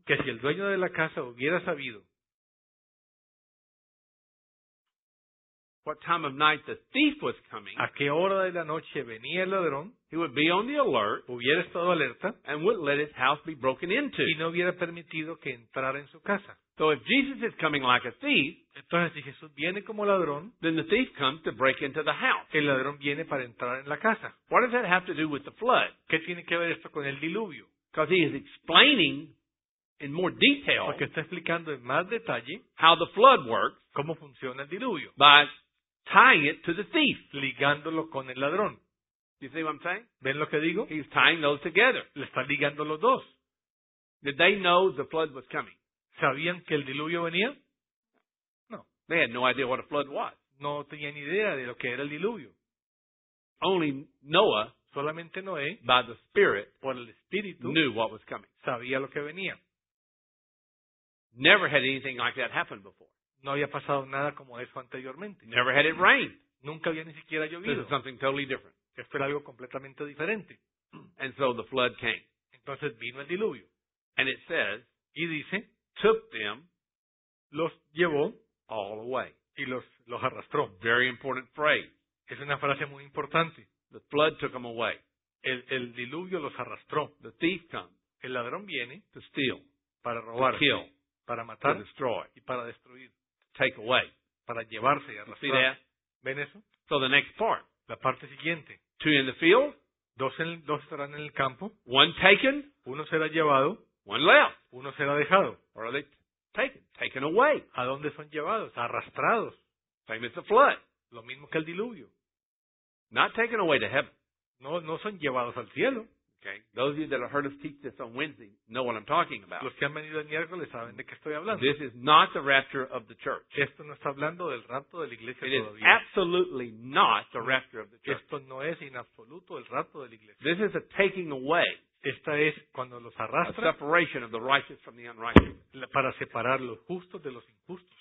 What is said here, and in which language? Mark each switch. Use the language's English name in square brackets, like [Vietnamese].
[Spanish] Que si el dueño de la casa hubiera sabido. [English] What time of night the thief was coming? [Spanish] ¿A qué hora de la noche venía el ladrón? [English] He would be on the alert. [Spanish] Hubiera estado alerta. [English] And wouldn't let his house be broken into. [Spanish] Y no hubiera permitido que entrara en su casa. [English] So if Jesus is coming like a thief, [Spanish] entonces si Jesús viene como ladrón, [English] then the thief comes to break into the house. [Spanish] El ladrón viene para entrar en la casa. [English] What does that have to do with the flood? [Spanish] ¿Qué tiene que ver esto con el diluvio? [English] Because he is explaining in more detail, [Spanish] porque está explicando en más detalle, [English] how the flood works, [Spanish] cómo funciona el diluvio. [English] But tying it to the thief. [Spanish] Ligándolo con el ladrón. [English] You see what I'm saying? [Spanish] ¿Ven lo que digo? [English] He's tying those together. [Spanish] Le está ligando los dos. [English] Did they know the flood was coming? [Spanish] ¿Sabían que el diluvio venía? [English] No. They had no idea what a flood was. [Spanish] No tenían idea de lo que era el diluvio. [English] Only Noah, [Spanish] solamente Noé, [English] by the Spirit, [Spanish] por el Espíritu, [English] knew what was coming. [Spanish] Sabía lo que venía. [English] Never had anything like that happen before. [Spanish] No había pasado nada como eso anteriormente. [English] Never had it rained. [Spanish] Nunca había ni siquiera llovido. [English] This is something totally different. [Spanish] Esto era algo completamente diferente. [English] And so the flood came. [Spanish] Entonces vino el diluvio. [English] And it says, [Spanish] y dice, [English] took them, [Spanish] los llevó [English] all the way. [Spanish] Y los arrastró. [English] Very important phrase. [Spanish] Es una frase muy importante. [English] The flood took them away. [Spanish] El diluvio los arrastró. [English] The thief comes. [Spanish] El ladrón viene [English] to steal, [Spanish] para robar, [English] to kill, [Spanish] para matar, [English] to destroy, [Spanish] y para destruir, [English] to take away, [Spanish] para llevarse y arrastrar. ¿Ven eso? [English] So the next part. [Spanish] La parte siguiente. [English] Two in the field. [Spanish] Dos estarán en el campo. [English] One taken. [Spanish] Uno será llevado. [English] One left. [Spanish] Uno será dejado. [English] Or are they taken? Taken away. [Spanish] ¿A dónde son llevados? Arrastrados. [English] Same as the flood. [Spanish] Lo mismo que el diluvio. [English] Not taken away to heaven. [Spanish] No son llevados al cielo. [English] Okay. Those of you that have heard us teach this on Wednesday know what I'm talking about. [Spanish] Los que han venido el miércoles saben de qué estoy hablando. [English] This is not the rapture of the church. [Spanish] Esto no está hablando del rapto de la iglesia [English] it [Spanish] todavía. [English] Is absolutely not the rapture of the church. [Spanish] Esto no es en absoluto el rapto de la iglesia. [English] This is a taking away. [Spanish] Esta es cuando los arrastra. [English] A separation of the righteous from the unrighteous. [Spanish] Para separar los justos de los injustos.